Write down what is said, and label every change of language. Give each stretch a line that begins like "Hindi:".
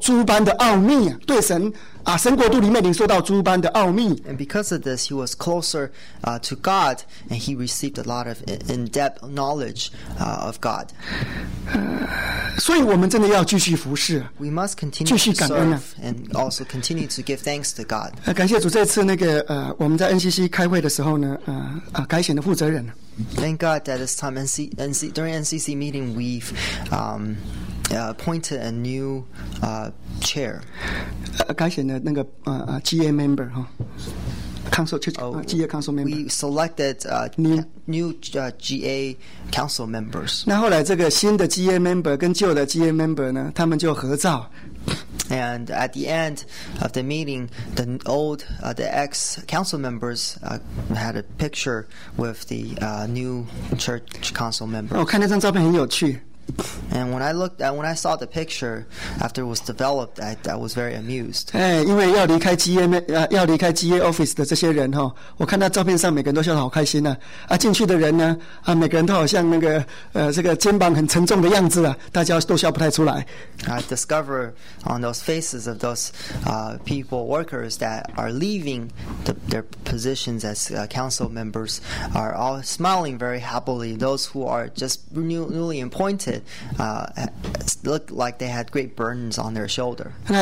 Chinese: 可是你发现到他在服事过程当中呢，对神越了解越清楚，所以他在灵里面领受诸般的奥秘，对神。神国度里面领受到诸般的奥秘。
English: And because of this, he was closer to God, and he received a lot of in-depth knowledge of God.
Chinese: 所以我们真的要继续服事。
English: We must continue to serve and also continue to give thanks to God.
Chinese: 感谢主，这次那个我们在NCC开会的时候呢，改选的负责人。
English: Thank God that this time during NCC meeting we've appointed a new chair.
Chinese: 改选的那个GA member 哈。
English: GA Council member. We selected new GA Council members.
Chinese: 那后来这个新的 GA member 跟旧的 GA member 呢，他们就合照。
English: And at the end of the meeting, the old, the ex council members had a picture with the new church council member.
Chinese: 我看那张照片很有趣。
English: And when I looked at, when I saw the picture after it was developed, I was very amused.
Chinese: 因为要离开GA office的这些人，我看到照片上每个人都笑得好开心啊，进去的人呢，每个人都好像那个这个肩膀很沉重的样子啊，大家都笑不太出来。
English: I discover on those faces of those people workers that are leaving their positions as council members are all smiling very happily. Those who are just newly appointed looked like they had great burdens on their shoulder.